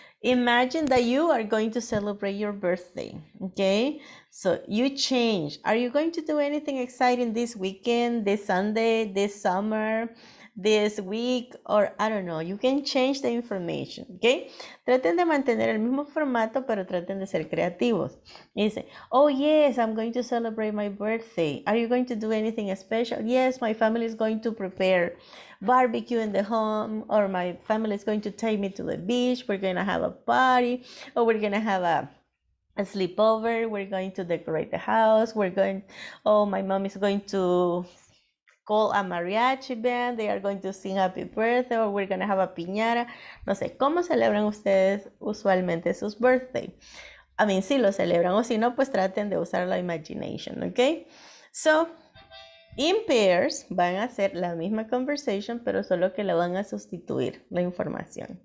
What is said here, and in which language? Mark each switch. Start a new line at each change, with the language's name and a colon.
English: Imagine that you are going to celebrate your birthday. Okay. So you change. Are you going to do anything exciting this weekend, this Sunday, this summer, this week, or I don't know, you can change the information, okay?
Spanish: Traten de mantener el mismo formato, pero traten de ser creativos. Y dice,
English: oh yes, I'm going to celebrate my birthday. Are you going to do anything special? Yes, my family is going to prepare barbecue in the home, or my family is going to take me to the beach. We're going to have a party, or we're going to have a sleepover. We're going to decorate the house. We're going, oh, my mom is going to call a mariachi band, they are going to sing happy birthday, or we're going to have a piñata.
Spanish: No sé, ¿cómo celebran ustedes usualmente sus birthday?
English: I mean,
Spanish: si lo celebran, o si no, pues traten de usar la imagination, ¿ok?
English: So, in pairs,
Spanish: van a hacer la misma conversation, pero solo que la van a sustituir la información.